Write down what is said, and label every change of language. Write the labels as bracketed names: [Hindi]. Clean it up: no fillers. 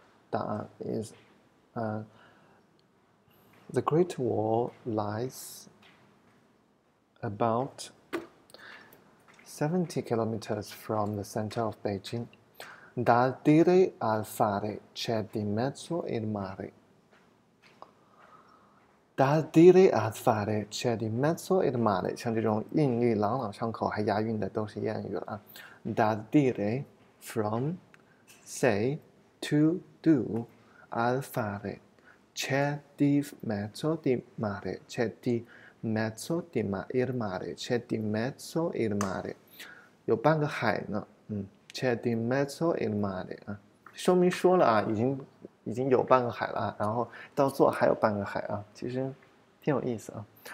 [Chinese] 答案 [English] is，the Great Wall lies about 70 kilometers from the center of Beijing。 [Italian] Da dire al fare c'è di mezzo il mare. Da dire al fare c'è di mezzo il mare， [Chinese] 像这种韵律朗朗上口还押韵的都是谚语了啊。 [Italian] Da dire [English] from say to do [Italian] al fare c'è di mezzo di mare，c'è di mezzo di ma il mare，c'è di mezzo il mare， [Chinese] 有半个海呢， [Italian] 嗯。 C'è di mezzo il mare [Chinese] 啊，说明说了啊，已经有半个海了啊，然后到做还有半个海啊，其实挺有意思啊。